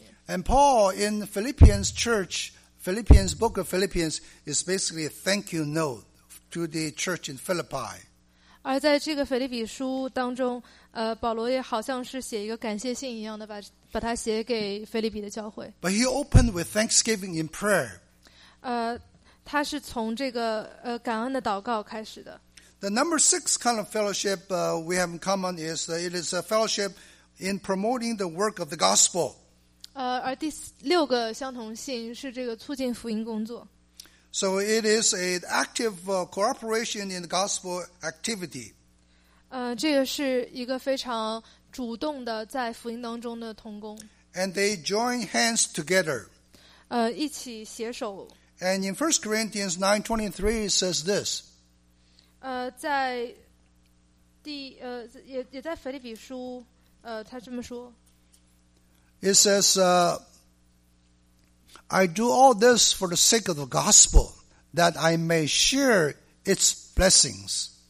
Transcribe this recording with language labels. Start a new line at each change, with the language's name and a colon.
English: And Paul in Philippians church, Philippians book of Philippians is basically a thank you note to the church in Philippi.
Chinese: 而在这个腓立比书当中，保罗也好像是写一个感谢信一样的，把它写给腓立比的教会。
English: But he opened with thanksgiving in prayer.
Chinese: 他是从这个感恩的祷告开始的。
English: The number six kind of fellowship we have in common is that it is a fellowship in promoting the work of the gospel.
Chinese: 而第六个相同性是这个促进福音工作。
English: So it is an active cooperation in the gospel activity.
Chinese: 这个是一个非常主动的在福音当中的同工。
English: And they join hands together.
Chinese: 一起携手。
English: And in 1 Corinthians 9:23 it says this.
Chinese: 在第也在腓立比书他这么说。
English: It says, I do all this for the sake of the gospel, that I may share its blessings.